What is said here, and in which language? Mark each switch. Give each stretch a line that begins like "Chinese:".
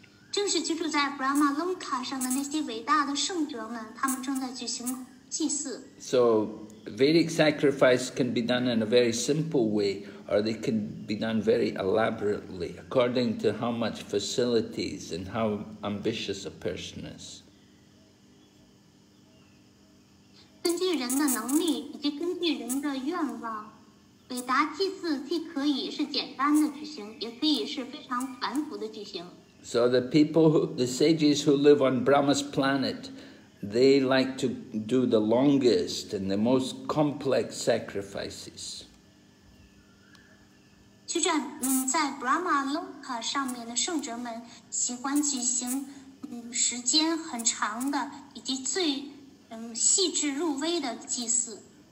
Chinese: 正是居住在Brahmaloka上的那些伟大的圣者们，他们正在举行祭祀。
English: So Vedic sacrifice can be done in a very simple way, or they can be done very elaborately, according to how much facilities and how ambitious a person is.
Chinese: 根据人的能力以及根据人的愿望，韦达祭祀既可以是简单的举行，也可以是非常繁复的举行。
English: So the people, the sages who live on Brahma's planet, they like to do the longest and the most complex sacrifices.
Chinese: 就像在 Brahma Loka 上面的圣者们喜欢举行时间很长的以及最细致入微的祭祀。